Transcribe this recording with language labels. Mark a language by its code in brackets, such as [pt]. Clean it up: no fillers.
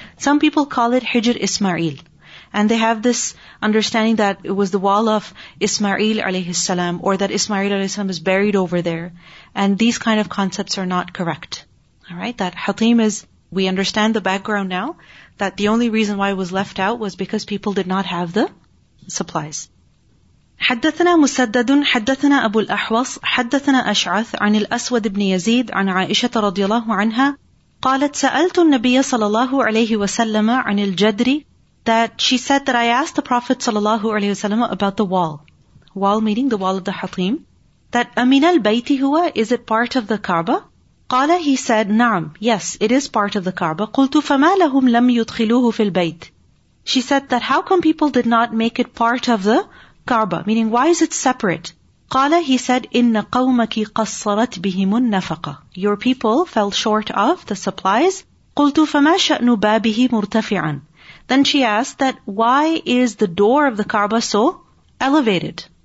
[en] Some people call it Hijr Ismail. And they have this understanding that it was the wall of Ismail alayhi salam, or that Ismail alayhi salam is buried over there. And these kind of concepts are not correct. All right, that Hatim is, we understand the background now, that the only reason why it was left out was because people did not have the supplies. [ar] حدثنا مسدد حدثنا أبو الأحوص حدثنا أشعث عن الأسود بن يزيد عن عائشة رضي الله عنها قالت سألت النبي صلى الله عليه وسلم عن الجدر, [en] that she said that I asked the Prophet صلى الله عليه وسلم about the wall. Wall meaning the wall of the Hatim. That [ar] أمين البيت هو, [en] is it part of the Kaaba? قال, he said, نعم, yes, it is part of the Kaaba. [ar] قلت فما لهم لم يدخلوه في البيت. [en] She said that how come people did not make it part of the Kaaba? Meaning why is it separate? قال, he said, [ar] إِنَّ قَوْمَكِ قَصَّرَتْ بِهِمُ النَّفَقَةِ. [en] Your people fell short of the supplies. [ar] قُلْتُ فَمَا شَأْنُ بَابِهِ مُرْتَفِعًا. [en] Then she asked that why is the door of the Kaaba so elevated?